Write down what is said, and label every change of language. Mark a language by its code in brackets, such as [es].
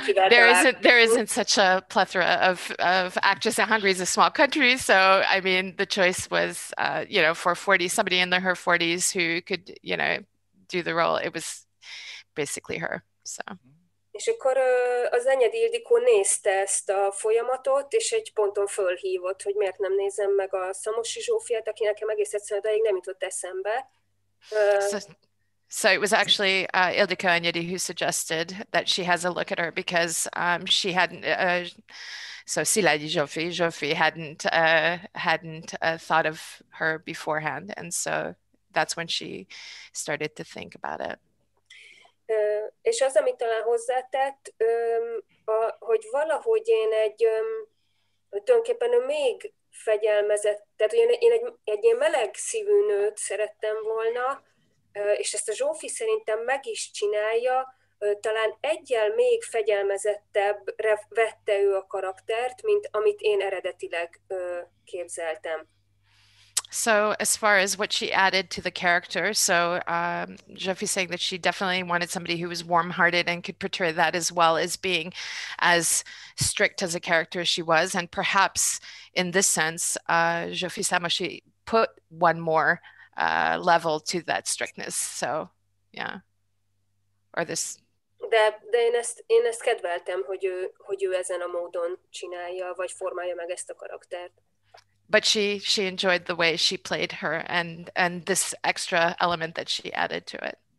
[en] There isn't such a plethora of actors. Hungary is a small country, so I mean the choice was, for 40, somebody in her 40s who could, you know, do the role. It was basically her. So. [hu] És akkor az enyed Ildikó nézte ezt a folyamatot, és egy ponton fölhívott, hogy miért nem nézem meg a Szamosi Zsófiát, aki nekem egész egyszerűen odáig nem jutott eszembe. [en] So it was actually Ildikó Anyedi who suggested that she has a look at her because she hadn't, so Szilágyi Zsófi hadn't thought of her beforehand. And so that's when she started to think about it. [hu] És az, amit talán hozzátett, hogy valahogy én egy, tulajdonképpen még fegyelmezett, tehát hogy én egy ilyen meleg szívű nőt szerettem volna, és ezt a Zsófi szerintem meg is csinálja, talán egyel még fegyelmezettebbre vette ő a karaktert, mint amit én eredetileg képzeltem. [en] So as far as what she added to the character, so Zsófia saying that she definitely wanted somebody who was warm-hearted and could portray that as well as being as strict as a character as she was. And perhaps in this sense, Zsófia Szilágyi put one more level to that strictness. So, yeah. Or this. [hu] De én ezt kedveltem, hogy ő ezen a módon csinálja, vagy formálja meg ezt a karaktert. [en] But she enjoyed the way she played her and this extra element that she added to it.